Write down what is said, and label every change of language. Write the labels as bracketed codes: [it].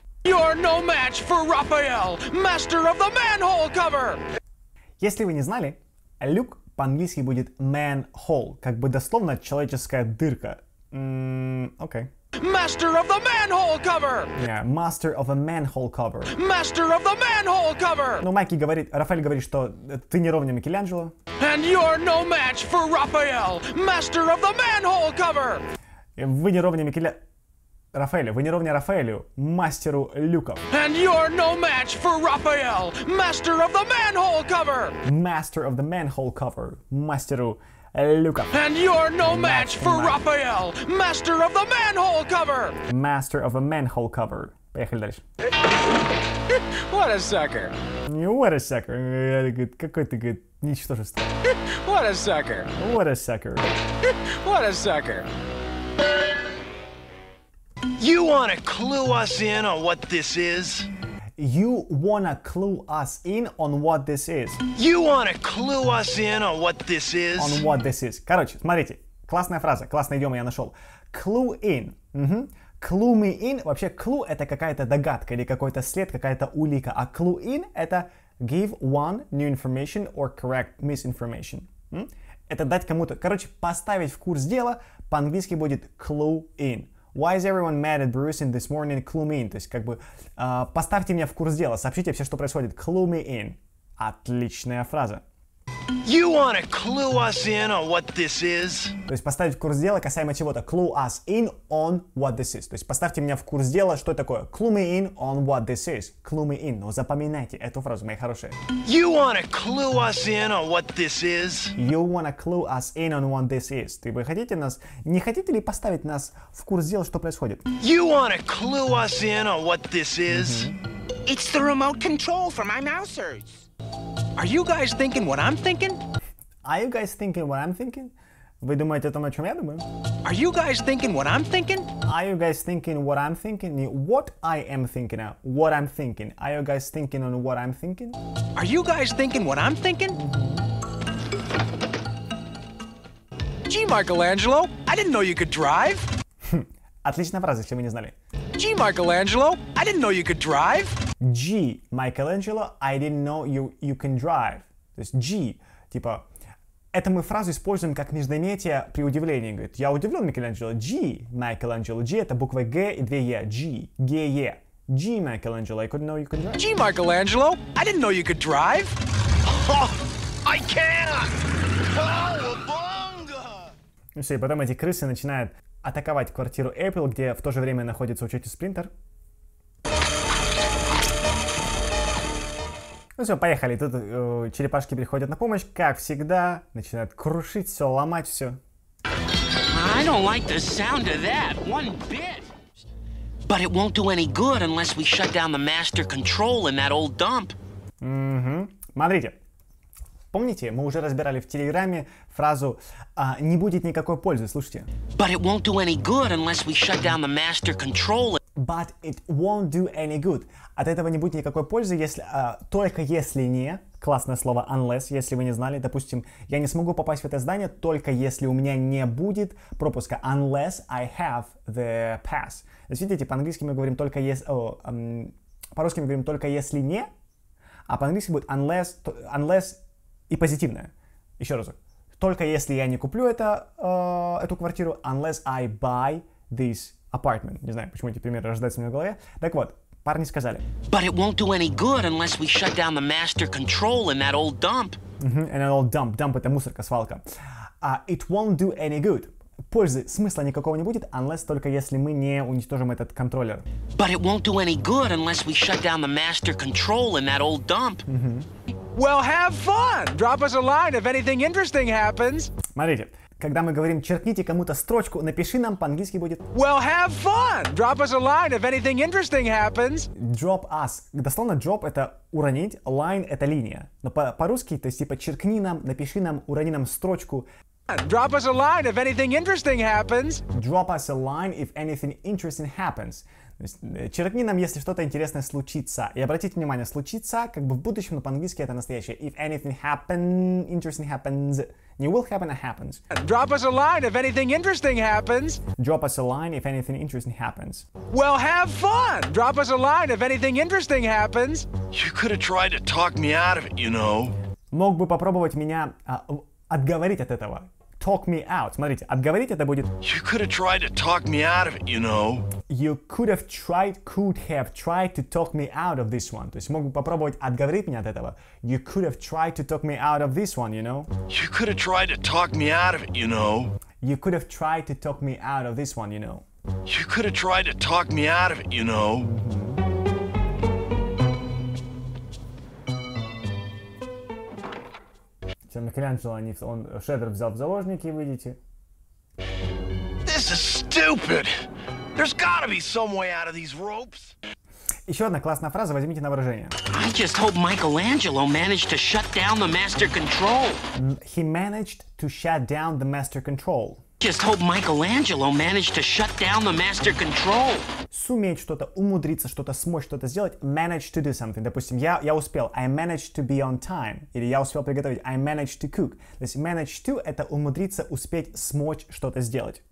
[en] You are no match for Raphael, master of the manhole cover! [ru] Если вы не знали, люк по-английски будет manhole, как бы дословно человеческая дырка. Окей. [en] Master of the manhole cover! Yeah, master of a manhole cover. Master of the manhole cover! [ru] Ну, Майки говорит, Рафаэль говорит, что ты не ровня Микеланджело. [en] And you are no match for Raphael, master of the manhole cover! [ru] Вы не ровня Микеланджело. Рафаэлю, вы не ровня Рафаэлю, мастеру люков. [en] And you're no match for Raphael, master of the manhole cover. Master of the manhole cover, [ru] мастеру люков. [en] And you're no match for Raphael, master of the manhole cover. Master of the manhole cover. [ru] Поехали дальше. [en] What a sucker. What a sucker. [ru] Какой ты, говорит, ничтожество. [en] What a sucker. What a sucker. What a sucker. You wanna clue us in on what this is? You wanna clue us in on what this is? You wanna clue us in on what this is? On what this is. [ru] Короче, смотрите, классная фраза, классный идиом я нашел. [en] Clue in. Clue me in. [ru] Вообще, clue это какая-то догадка или какой-то след, какая-то улика. [en] А clue in это give one new information or correct misinformation. [ru] Это дать кому-то, короче, поставить в курс дела, по-английски будет clue in. [en] Why is everyone mad at Bruce in this morning? Clue me in. [ru] То есть, как бы, поставьте меня в курс дела, сообщите все, что происходит. [en] Clue me in. [ru] Отличная фраза. [en] You wanna clue us in on what this is? [ru] То есть, поставить в курс дела касаемо чего-то. [en] Clue us in on what this is. [ru] То есть, поставьте меня в курс дела, что такое. [en] Clue me in on what this is. Clue me in. [ru] Но запоминайте эту фразу, мои хорошие. [en] You wanna clue us in on what this is? You wanna clue us in on what this is. [ru] Ты бы хотите нас... Не хотите ли поставить нас в курс дела, что происходит? [en] You wanna clue us in on what this is? Mm-hmm. It's the remote control for my mousers. Are you guys thinking what I'm thinking? Are you guys thinking what I'm thinking? [ru] Вы думаете о том, о чем я думаю? [en] Are you guys thinking what I'm thinking? Are you guys thinking what I'm thinking? What I am thinking of? What I'm thinking? Are you guys thinking on what I'm thinking? Are you guys thinking what I'm thinking? Gee, Michelangelo, I didn't know you could drive. [ru] Отличная фраза, если вы не знали. [en] Gee, Michelangelo, I didn't know you could drive. Gee, Michelangelo, I didn't know you can drive. [ru] То есть, gee, типа, это мы фразу используем как нижнеметие при удивлении. Говорит, я удивлен, Michelangelo. Gee, Michelangelo, gee, это буква G и две E. [en] Gee, G-E. Gee, Michelangelo, I couldn't know you could drive. Gee, Michelangelo, I didn't know you could drive. Oh, I can't! Cowabunga! [ru] Ну все, и потом эти крысы начинают атаковать квартиру Эйприл, где в то же время находится учитель Сплинтер. Ну все, поехали. Тут черепашки приходят на помощь, как всегда, начинают крушить все, ломать все. [en] I don't like the sound of that one bit. But it won't do any good unless we shut down the master control in that old dump. [ru] Смотрите. Помните, мы уже разбирали в Телеграме фразу «не будет никакой пользы», слушайте. [en] But it won't do any good unless we shut down the master control. But it won't do any good. [ru] От этого не будет никакой пользы, если только если не, классное слово unless, если вы не знали. Допустим, я не смогу попасть в это здание, только если у меня не будет пропуска. [en] Unless I have the pass. [ru] То есть, видите, по-английски мы говорим только если... по-русски мы говорим только если не, а по-английски будет unless... И позитивное. Еще разок. Только если я не куплю это, эту квартиру, [en] unless I buy this apartment. [ru] Не знаю, почему эти примеры рождаются у меня в голове. Так вот, парни сказали. [en] But it won't do any good unless we shut down the master control in that old dump. In that old dump. [ru] Dump это мусорка, свалка. [en] It won't do any good. [ru] Пользы, смысла никакого не будет, unless только если мы не уничтожим этот контроллер. [en] But it won't do any good unless we shut down the master control in that old dump. Well, have fun! Drop us a line if anything interesting happens. [ru] Смотрите, когда мы говорим, черкните кому-то строчку, напиши нам, по-английски будет... [en] Well, have fun! Drop us a line if anything interesting happens. [ru] Drop us. Дословно, drop — это уронить, line — это линия. Но по-русски, то есть, типа, черкни нам, напиши нам, урони нам строчку. [en] Drop us a line if anything interesting happens. Drop us a line if anything interesting happens. [ru] То есть, черкни нам, если что-то интересное случится. И обратите внимание, случится, как бы в будущем, но по-английски это настоящее. [en] If anything happens, interesting happens, Не will happen, it happens. Drop us a line if anything interesting happens. Drop us a line if anything interesting happens. Well, have fun! Drop us a line if anything interesting happens. You could have tried to talk me out of it, you know. [ru] Мог бы попробовать меня отговорить от этого. [en] Talk me out. [ru] Смотрите, отговорить это будет... [en] You could have tried to talk me out of it, you know. You could have tried to talk me out of this one. [ru] То есть мог бы попробовать отговорить меня от этого. [en] You could have tried to talk me out of this one, you know. You could have tried to talk me out of it, you know. You could have tried to talk me out of this one, you know. You could have tried to talk me out of it, you know. [ru] Чем Микеланджело, он Шредер взял в заложники, видите? [en] This is stupid. There's gotta be some way out of these ropes. [ru] Еще одна классная фраза, возьмите на вооружение. [en] I just hope Michelangelo managed to shut down the master control. He managed to shut down the master control. Just hope Michelangelo managed to shut down the master control. [ru] Суметь что-то, умудриться что-то, смочь что-то сделать. [en] Manage to do something. [ru] Допустим, я успел. [en] I managed to be on time. [ru] Или я успел приготовить. [en] I managed to cook. [ru] То есть manage to – это умудриться, успеть, смочь что-то сделать.